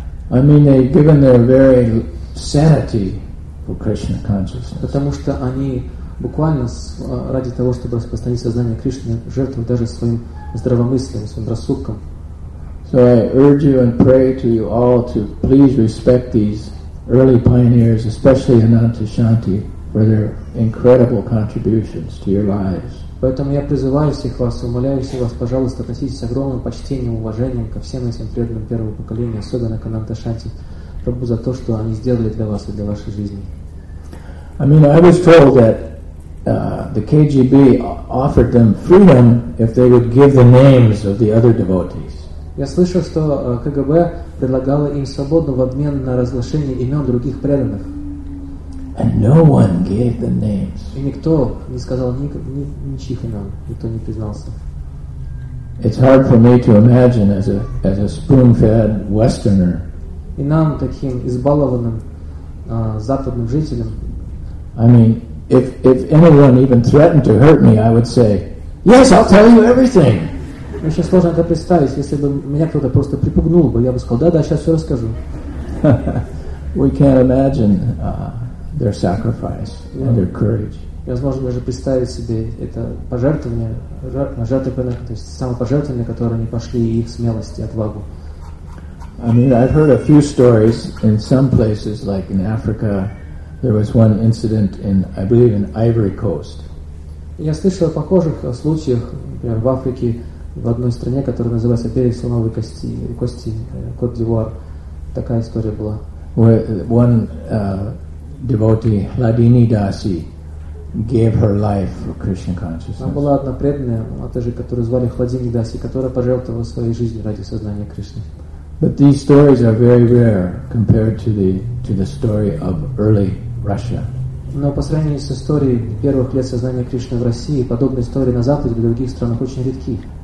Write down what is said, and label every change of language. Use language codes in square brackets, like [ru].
[en] I mean, they've given their very sanity for Krishna consciousness. [ru] Потому что они буквально ради того, чтобы распространить сознание Кришны, жертвуют даже своим здравомыслием, своим рассудком. [en] So I urge you and pray to you all to please respect these early pioneers, especially Ananta Shanti, for their incredible contributions to your lives. [ru] Поэтому я призываю всех вас, умоляю всех вас, пожалуйста, относитесь с огромным почтением, уважением ко всем этим преданным первого поколения, особенно к Ананта Шанти, Прабху, за то, что они сделали для вас и для вашей жизни. [en] I mean, I was told that the KGB offered them freedom if they would give the names of the other devotees. [ru] Я слышал, что КГБ предлагало им свободу в обмен на разглашение имен других преданных. [en] And no one gave the names. [ru] И никто не сказал ничьих имен, никто не признался. [en] It's hard for me to imagine as a spoon-fed Westerner. [ru] И нам таким избалованным западным жителям. [en] I mean, if anyone even threatened to hurt me, I would say, "Yes, I'll tell you everything." [ru] Мне сейчас сложно это представить, если бы меня кто-то просто припугнул бы, я бы сказал, да, сейчас все расскажу. [en] We can't imagine their sacrifice and their courage. [ru] Возможно даже представить себе это пожертвование, жертвенное, то есть самопожертвование, которое они пошли, и их смелость, и отвагу. [en] I mean, I've heard a few stories in some places, like in Africa. There was one incident in, I believe, in Ivory Coast. [ru] Я слышал о похожих случаях, например, в Африке, в одной стране, которая называется Перец слоновой кости, кости Кот-д'Ивуар. Такая история была. [en] One devotee, Ladini Dasi, gave her life for Krishna consciousness. [ru] Она была одна преданная, она же, которую звали Хладини Даси, которая пожертвовала своей жизнью ради сознания Кришны. [en] But these stories are very rare compared to the story of early Russia. [ru] Но по сравнению с историей первых лет сознания Кришны в России, подобные истории на Западе или в других странах очень редки.